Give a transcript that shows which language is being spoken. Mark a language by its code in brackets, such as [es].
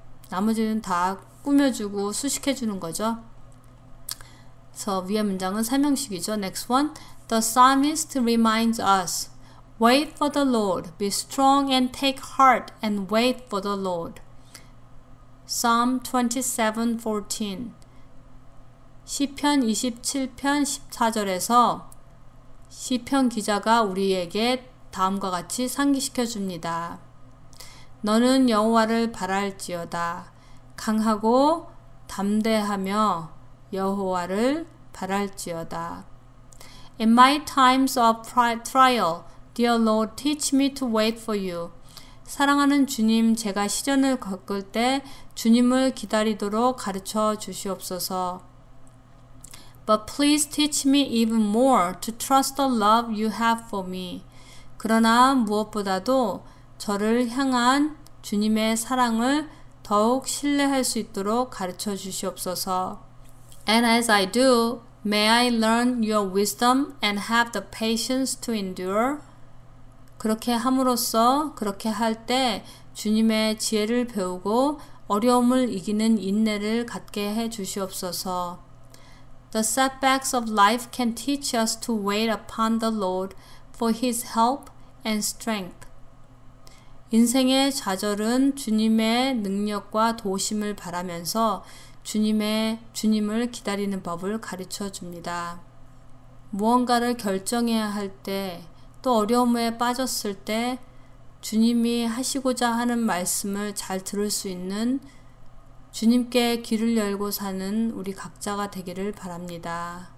[ko] 나머지는 다 꾸며주고 수식해주는 거죠. 그래서 위에 문장은 설명식이죠. [en] Next one. The psalmist reminds us wait for the Lord. Be strong and take heart and wait for the Lord. [ko] Psalm 27:14 시편 27편 14절에서 시편 기자가 우리에게 다음과 같이 상기시켜 줍니다. 너는 여호와를 바랄지어다. 강하고 담대하며 여호와를 바랄지어다. [en] In my times of trial, dear Lord, teach me to wait for you. [ko] 사랑하는 주님, 제가 시련을 겪을 때 주님을 기다리도록 가르쳐 주시옵소서. [en] But please teach me even more to trust the love you have for me. [ko] 그러나 무엇보다도 저를 향한 주님의 사랑을 더욱 신뢰할 수 있도록 가르쳐 주시옵소서. [en] And as I do, may I learn your wisdom and have the patience to endure. [ko] 그렇게 함으로써 그렇게 할 때 주님의 지혜를 배우고 어려움을 이기는 인내를 갖게 해 주시옵소서. [en] The setbacks of life can teach us to wait upon the Lord for His help and strength. [ko] 인생의 좌절은 주님의 능력과 도우심을 바라면서 주님을 기다리는 법을 가르쳐 줍니다. 무언가를 결정해야 할 때 또 어려움에 빠졌을 때 주님이 하시고자 하는 말씀을 잘 들을 수 있는 주님께 길을 열고 사는 우리 각자가 되기를 바랍니다.